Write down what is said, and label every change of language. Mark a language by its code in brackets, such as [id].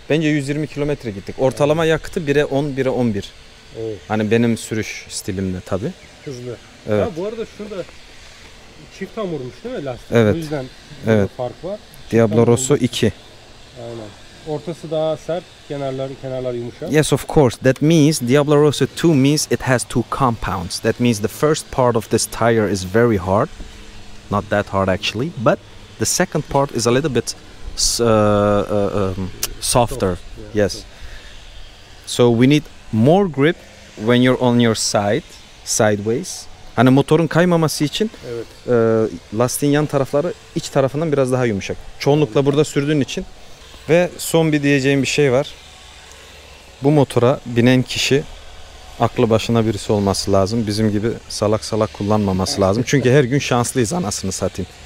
[tr] Bence 120 kilometre gittik. Ortalama yakıtı 1'e 10, 1'e 11. Evet. Hani benim sürüş stilimle tabii. Hızlı. Evet. Ya bu arada şurada çift hamurmuş değil mi lastik? Evet. O yüzden evet, fark var. Çift Diablo hamurmuş. Rosso 2. Aynen. Ortası daha sert, kenarlar yumuşak. [en] Yes, of course. That means Diablo Rosso 2 means it has two compounds. That means the first part of this tire is very hard. Not that hard actually, but the second part is a little bit softer. Soft, yeah, yes. So we need more grip when you're on your side, sideways. [tr] Hani motorun kaymaması için evet, lastiğin yan tarafları iç tarafından biraz daha yumuşak. Çoğunlukla evet, burada sürdüğün için. Ve son bir diyeceğim bir şey var. Bu motora binen kişi aklı başına birisi olması lazım. Bizim gibi salak salak kullanmaması lazım. Çünkü her gün şanslıyız anasını satayım.